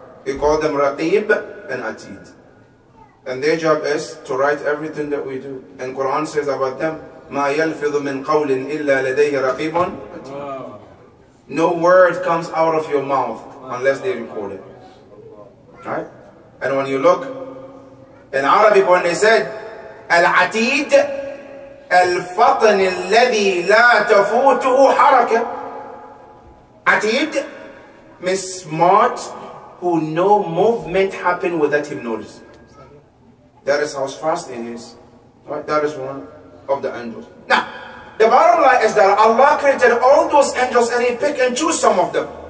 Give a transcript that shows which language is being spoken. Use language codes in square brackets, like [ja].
[en] He called them Raqib and Atid. And their job is to write everything that we do. And Quran says about them, [ar] مَا يَلْفِظُ مِنْ قَوْلٍ إِلَّا لَدَيْهِ رَقِيبٌ. [en] No word comes out of your mouth unless they record it. Right? And when you look in Arabic, when they said [ar] العتيد الفطن الذي لا تفوته حركة. [en] عتيد means smart, who no movement happen without him notice. That is how fast it is. Right? That is one of the angels. Now, the bottom line is that Allah created all those angels and he pick and choose some of them.